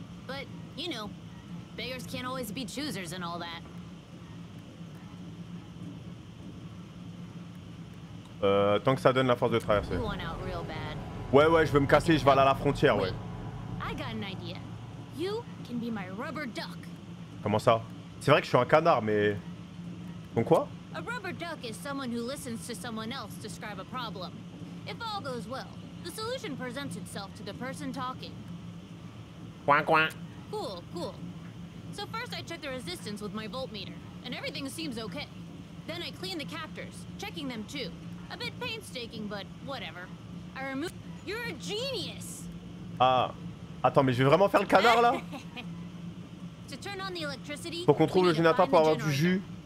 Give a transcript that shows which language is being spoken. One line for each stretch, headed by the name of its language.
English: But, you know, beggars can't always be choosers and all that.
French: Tant que ça donne la force de traverser.
English: You want out real bad.
French: Ouais, ouais, je veux me casser, je vais aller à la frontière, ouais.
English: I got an idea. You can be my rubber duck.
French: Comment ça? C'est vrai que je suis un canard, mais... Donc quoi?
English: A rubber duck is someone who listens to someone else describe a problem. If all goes well, the solution presents itself to the person talking. Quack quack. Cool, cool. So first I check the resistance with my voltmeter, and everything seems okay. Then I clean the captors, checking them too. A bit painstaking, but whatever. I remove. You're a genius.
French: Ah, attends, mais je vais vraiment faire le canard là.
English: To turn on the electricity.
French: Faut qu'on trouve le générateur pour avoir du jus.